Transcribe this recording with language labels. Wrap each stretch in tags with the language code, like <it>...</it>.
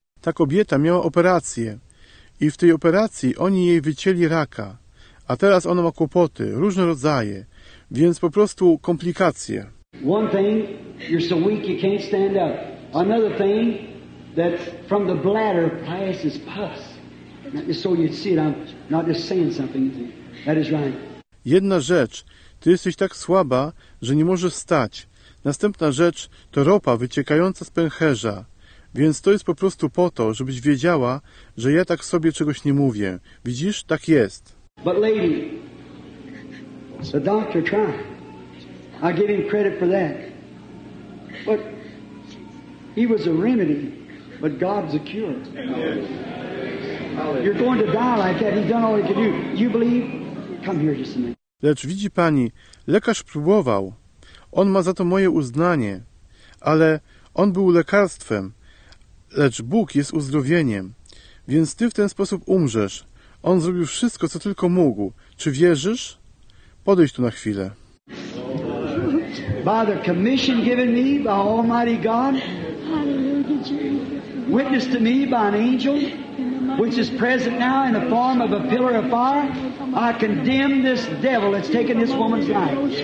<pl>Ta kobieta miała operację i w tej operacji oni jej wycięli raka, a teraz ona ma kłopoty, różne rodzaje, więc po prostu komplikacje.</pl> <en>One thing, you're so weak you can't stand up. Another thing, that from the bladder passes pus. Not just so you see it, I'm not just saying something. That is right.</en> <pl>Jedna rzecz, ty jesteś tak słaba, że nie możesz stać. Następna rzecz to ropa wyciekająca z pęcherza. Więc to jest po prostu po to, żebyś wiedziała, że ja tak sobie czegoś nie mówię. Widzisz? Tak jest.</pl> <en>But lady, the doctor tried. I give him credit for that. But he was a remedy, but God's a cure. You're going to die like that. He's done all he could do. You believe? Come here just a minute.</en> <pl>Lecz widzi pani, lekarz próbował. On ma za to moje uznanie. Ale on był lekarstwem. Lecz Bóg jest uzdrowieniem, więc ty w ten sposób umrzesz. On zrobił wszystko, co tylko mógł. Czy wierzysz? Podejdź tu na chwilę.</pl> <en>By the commission given me by Almighty God, witnessed to me by an angel, which is present now in the form of a pillar of fire, I condemn this devil that's taken this woman's life.</en>